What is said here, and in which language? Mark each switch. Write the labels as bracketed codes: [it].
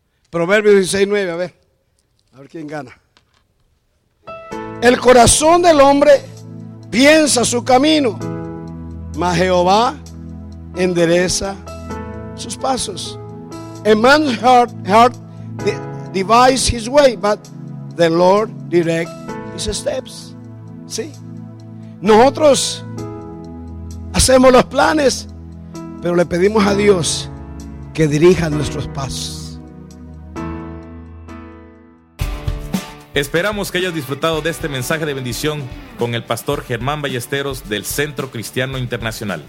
[es] Proverbio 16:9, a ver quién gana. El corazón del hombre piensa su camino, mas Jehová endereza sus pasos. [en] A man's heart devises his way, but the Lord directs his steps. [es] ¿Sí? Nosotros hacemos los planes, pero le pedimos a Dios que dirija nuestros pasos. Esperamos que hayas disfrutado de este mensaje de bendición con el pastor Germán Ballesteros del Centro Cristiano Internacional.